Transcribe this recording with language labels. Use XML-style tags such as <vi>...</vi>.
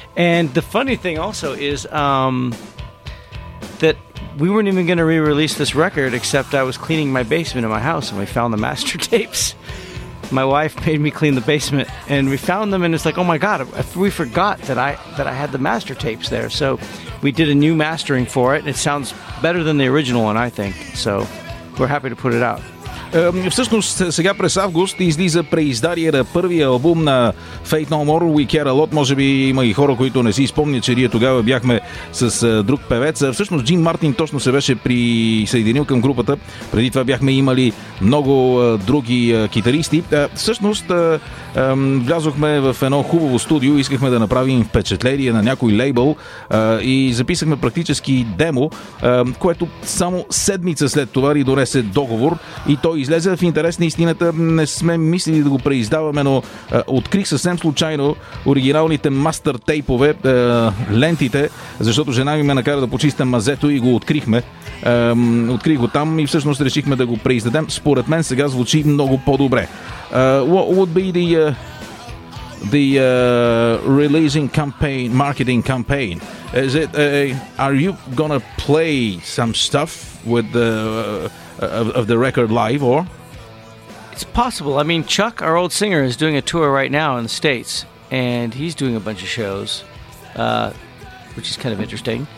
<en>And the funny thing also is that we weren't even going to re-release this record, except I was cleaning my basement in my house and we found the master tapes. My wife made me clean the basement, and we found them, and it's like, oh my God, we forgot that I had the master tapes there. So we did a new mastering for it, and it sounds better than the original one, I think. So we're happy to put it out.</en> <bg>Всъщност, сега през август излиза преиздание на първия албум на Faith No More, We Care A Lot. Може би има и хора, които не си спомнят, че ние тогава бяхме с друг певец. Всъщност, Джим Мартин точно се беше присъединил към групата. Преди това бяхме имали много други китаристи. Всъщност, влязохме в едно хубаво студио, искахме да направим впечатление на някой лейбъл и записахме практически демо, което само седмица след това ни донесе договор и то излезе в интерес на истината. Не сме мислили да го преиздаваме, но открих съвсем случайно оригиналните мастър тейпове, лентите, защото жена ми ме накара да почистя мазето и го открихме. Открих го там и всъщност решихме да го преиздадем. Според мен сега звучи много по-добре.</bg> <en>What would be the releasing campaign, marketing campaign? Is it are you gonna play some stuff with the of the record live, or? It's possible. I mean, Chuck, our old singer, is doing a tour right now in the States, and he's doing a bunch of shows, which is kind of interesting.</en>